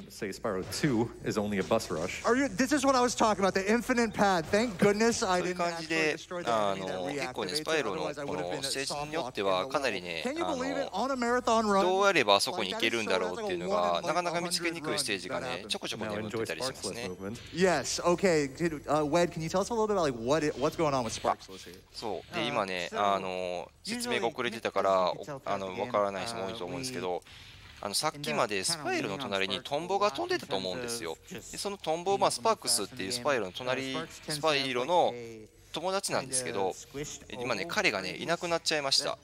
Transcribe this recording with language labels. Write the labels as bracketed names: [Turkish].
[Japanese] そういう感じで、結構ね、スパイロのこのステージによってはかなりね、どうやればあそこに行けるんだろうっていうのがなかなか見つけにくいステージがね、ちょこちょこ眠ってたりしますね。 [English] Yes, okay. Wed, can you tell us a little bit like what's going on with Sparks? [Japanese] そう。で今ね、説明が遅れてたから、分からない人も多いと思うんですけど、さっきまでスパイルの隣にトンボが飛んでたと思うんですよ。でそのトンボ、スパークスっていうスパイルの隣、スパイルの友達なんですけど、今ね、彼がね、いなくなっちゃいました。